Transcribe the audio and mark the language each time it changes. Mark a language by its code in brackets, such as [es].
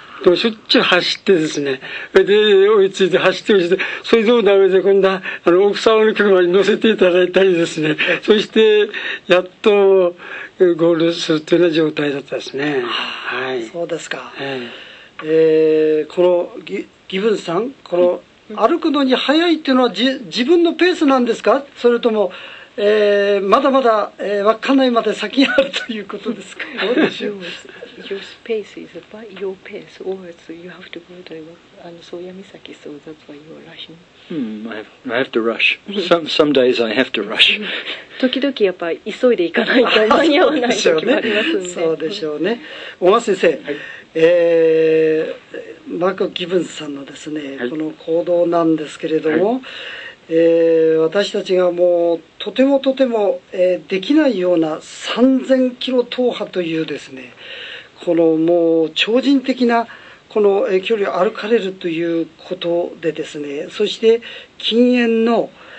[ja] でもしょっちゅう走ってですね、で追いついて、それでもダメで、今度は奥様の車に乗せていただいたりですね、そしてやっとゴールするというような状態だったですね。はい、そうですか、はい、このギブンさん、この歩くのに速いというのは自分のペースなんですか、それともまだまだ稚内まで先があるということですか。 [en] What is yours? Your space is by your pace. Always you have to go to Soyamisaki, so that's why you are rushing. I have to rush. Some days I have to rush. [ja] 時々やっぱり急いで行かないと間に合わない時もありますね。そうでしょうね。小川先生、はい、マーク・ギブンスさんのですね、はい、この行動なんですけれども、はい、私たちがもうとてもとても、できないような3000キロ踏破というですね、このもう超人的なこの、距離を歩かれるということでですね、そして禁煙の、